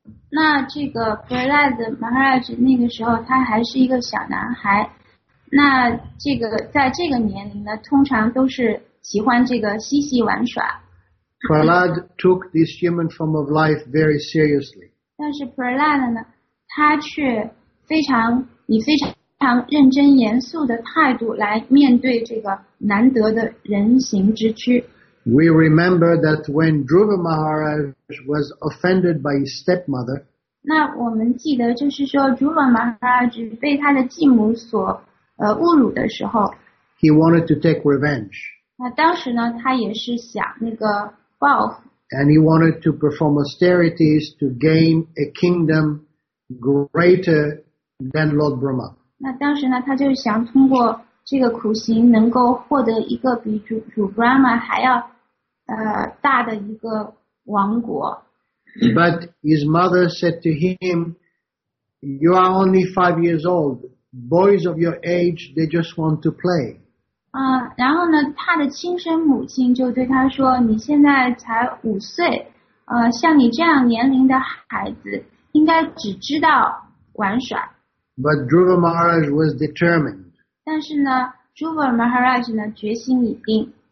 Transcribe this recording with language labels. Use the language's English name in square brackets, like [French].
[Chinese] 那这个 Prahlad Maharaj 那个时候他还是一个小男孩，那这个在这个年龄呢通常都是喜欢这个嬉戏玩耍。 [English] Prahlad took this human form of life very seriously. [Chinese] 但是 Prahlad 呢他却非常以非常认真严肃的态度来面对这个难得的人形之躯。 [English] We remember that when Dhruva Maharaj was offended by his stepmother, [Chinese] 那我们记得就是说 Dhruva Maharaj 被他的继母所侮辱的时候， [English] he wanted to take revenge. [Chinese] 那当时呢他也是想那个报复。 [English] And he wanted to perform austerities to gain a kingdom greater than Lord Brahma. [Chinese] 那当时呢他就想通过这个苦行能够获得一个比 主 Brahma 还要大的一个王国。 [English] But his mother said to him, you are only 5 years old. Boys of your age, they just want to play. [Chinese] 然后呢他的亲生母亲就对他说，你现在才5岁，像你这样年龄的孩子应该只知道玩耍。 [English] But Dhruva Maharaj was determined. [Chinese] 但是呢 Dhruva Maharaj 呢决心已定。